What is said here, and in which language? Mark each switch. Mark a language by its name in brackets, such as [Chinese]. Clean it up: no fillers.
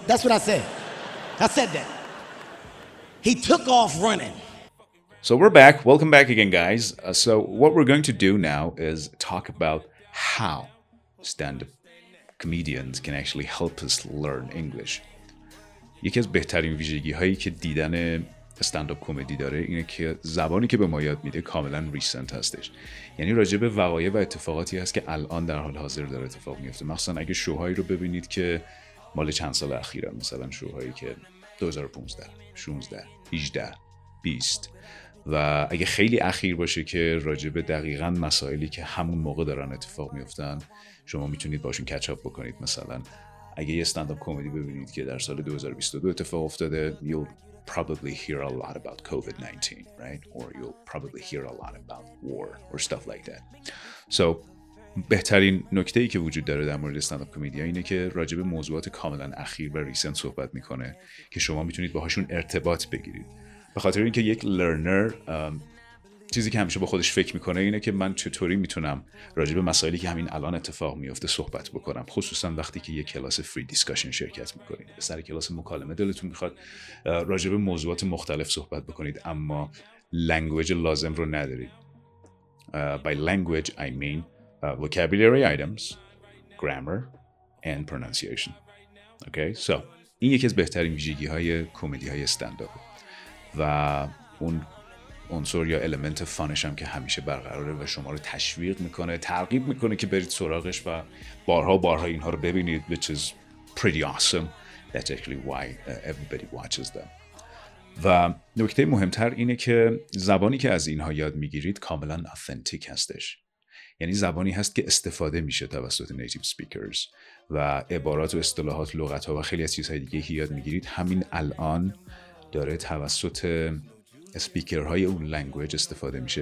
[English] That's what I said. I said that. He took off running. So we're back. Welcome back again, guys. So what we're going to do now is talk about how stand-up comedians can actually help us learn English. [Persian] یکی از بهترین ویژگی‌هایی که دیدن استندآپ کمدی داره اینه که زبانی که به ما یاد میده کاملا ریسنت هستش. یعنی راجع به وقایع و اتفاقاتی هست که الان در حال حاضر داره اتفاق میفته. مثلا اگه شوهایی رو ببینید که مال چند سال اخیره، مثلا شوهایی که 2015، 16، 18، 20 و اگه خیلی اخیر باشه که راجع به دقیقاً مسائلی که همون موقع دارن اتفاق میافتن، شما میتونید باشون کچ اپ بکنید. مثلا اگه یه استندآپ کمدی ببینید که در سال 2022 اتفاق افتاده، [English] you'll probably hear a lot about COVID-19, right? Or you'll probably hear a lot about war or stuff like that. [Persian] So بهترین نکته‌ای که وجود داره در مورد استندآپ کمدی اینه که راجع به موضوعات کاملا اخیر و ریسنت صحبت میکنه که شما میتونید باهاشون ارتباط بگیرید. به خاطر اینکه یک لرنر چیزی که همیشه با خودش فکر میکنه اینه که من چطوری میتونم راجع به مسائلی که همین الان اتفاق میفته صحبت بکنم، خصوصا وقتی که یک کلاس فری دیسکشن شرکت میکنید، به سر کلاس مکالمه دلتون میخواد راجع به موضوعات مختلف صحبت بکنید اما لنگویج لازم رو ندارید. [English] By language I mean vocabulary items, grammar and pronunciation. Okay, so [Persian] این یکی از بهترین ویژگی های کمدی های استندآپ و اون عنصر یا المنت فانش هم که همیشه برقراره و شما رو تشویق میکنه، ترغیب میکنه که برید سراغش و بارها اینها رو ببینید، [English] which is pretty awesome. That's actually why everybody watches them. [Persian] و نکته مهمتر اینه که زبانی که از اینها یاد میگیرید کاملا authentic هستش، یعنی زبانی هست که استفاده میشه توسط [English] native speakers [Persian] و عبارات و اصطلاحات، لغت ها و خیلی از چیزهای دیگه که یاد میگیرید همین الان داره توسط اسپیکر های اون لنگویج استفاده میشه.